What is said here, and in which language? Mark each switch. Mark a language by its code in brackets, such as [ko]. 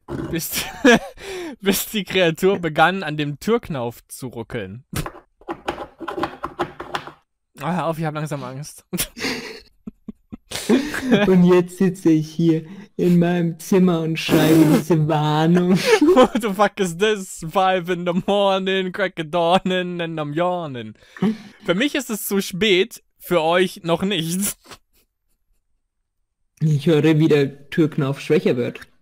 [de] Bis die Kreatur begann, an dem Türknauf zu ruckeln. Oh, hör auf, ich habe langsam Angst. Und jetzt sitze ich hier in meinem Zimmer und schreibe diese Warnung. [en] What the fuck is this? 5 in the morning, crack of dawning and I'm yawning. [de] Für mich ist es zu spät, für euch noch nicht. Ich höre, wie der Türknauf schwächer wird.